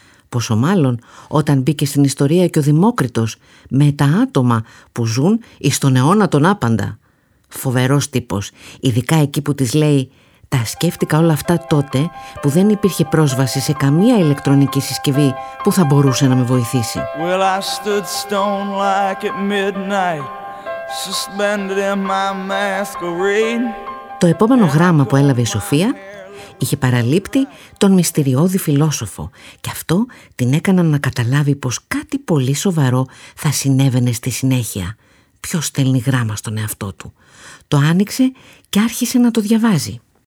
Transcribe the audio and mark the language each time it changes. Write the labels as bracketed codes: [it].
[el] Πόσο μάλλον όταν μπήκε στην ιστορία και ο Δημόκριτος, με τα άτομα που ζουν εις τον αιώνα τον άπαντα. Φοβερός τύπος, ειδικά εκεί που της λέει: «Τα σκέφτηκα όλα αυτά τότε που δεν υπήρχε πρόσβαση σε καμία ηλεκτρονική συσκευή που θα μπορούσε να με βοηθήσει». [en] Well, I stood stone like at midnight, suspended in my masquerade. [el] Το επόμενο γράμμα που έλαβε η Σοφία είχε παραλείπτει τον μυστηριώδη φιλόσοφο και αυτό την έκανε να καταλάβει πως κάτι πολύ σοβαρό θα συνέβαινε στη συνέχεια. Ποιος στέλνει γράμμα στον εαυτό του? Το άνοιξε και άρχισε να το διαβάζει.